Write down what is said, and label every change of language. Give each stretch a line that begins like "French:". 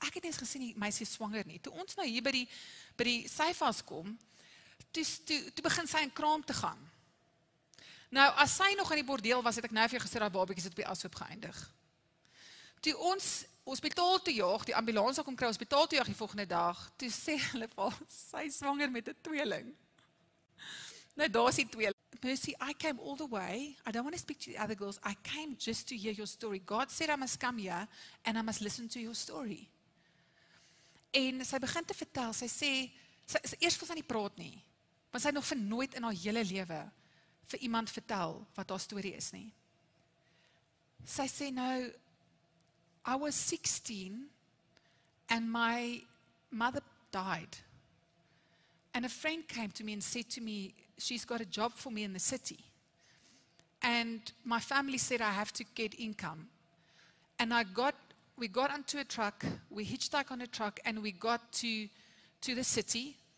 Afrikaans: Ek het eens gesien die meisie swanger nie. Toe ons nou hier by die syfas kom, toe begin sy in kraam te gaan. Nou, as sy nog in die bordeel was, het ek nou vir jou gesê, dat babiekies het op die ashoop geëindig. Toe ons hospitaal toe jaag, die ambulance kom kry hospitaal toe jaag die volgende dag, toe sê hulle vir sy swanger met 'n tweeling. Nou daar is die tweeling.
English: Mercy, I came all the way, I don't want to speak to the other girls, I came just to hear your story. God said I must come here and I must listen to your story.
Afrikaans: En sy begin te vertel, sy sê, sy is eers vir sy nie praat nie, want sy het nog vir nooit in haar hele lewe vir iemand vertel wat haar story is nie. Sy sê nou,
English: I was 16 and my mother died. And a friend came to me and said to me, she's got a job for me in the city. And my family said I have to get income. And we got onto a truck, we hitchhiked on a truck and we got to the city.